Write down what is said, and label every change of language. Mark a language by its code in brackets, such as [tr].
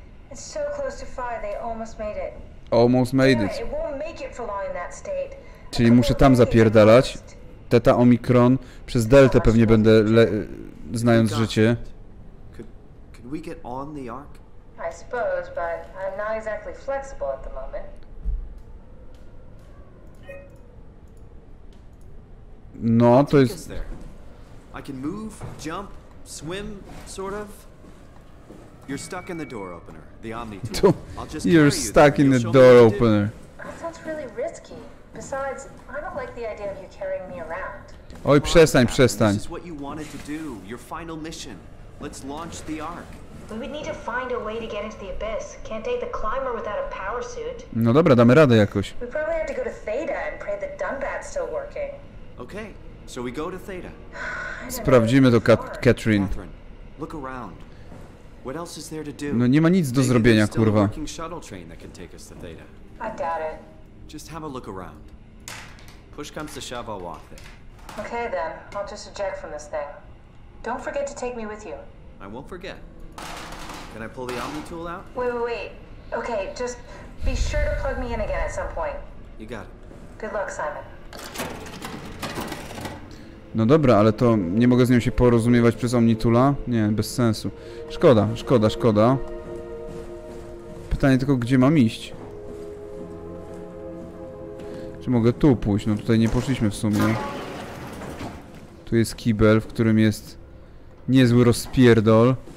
[en] It's so close to Phi, they almost made it. Almost made it. It won't make it for long in that state. [pl] Czyli muszę tam zapierdalać. Teta Omikron. Przez Deltę pewnie będę znając życie. [en] Could we get on the Ark? I suppose, but I'm not exactly flexible at the moment. [pl] No, to jest... [en] I can move, jump, swim, sort of. You're stuck in the door opener, the Omni tool. You're stuck in the door opener. That sounds really risky. Besides, I don't like the idea of you carrying me around. [pl] Oj, przestań. [en] This is what you wanted to do, your final mission. Let's launch the Ark. We would need to find a way to get into the abyss. Can't take the climber without a power suit. [pl] No dobra, damy radę jakoś. [en] We probably have to go to Theta and pray that Dunbat's still working. Okay, so we go to Theta. [pl] Sprawdzimy to Catherine. [en] Look around. What else is there to do? [pl] No nie ma nic do zrobienia, kurwa. [en] I doubt it. Just have a look around. Push comes to shove, I'll walk there. Okay then, I'll just eject from this thing. Don't forget to take me with you. I won't forget. Can I pull the Omni tool out? Wait. Okay, just be sure to plug me in again at some point. You got it. Good luck, Simon. [pl] No dobra, ale to nie mogę z nią się porozumiewać przez Omnitula? Nie, bez sensu. Szkoda. Pytanie tylko, gdzie mam iść? Czy mogę tu pójść? No tutaj nie poszliśmy w sumie. Tu jest kibel, w którym jest niezły rozpierdol.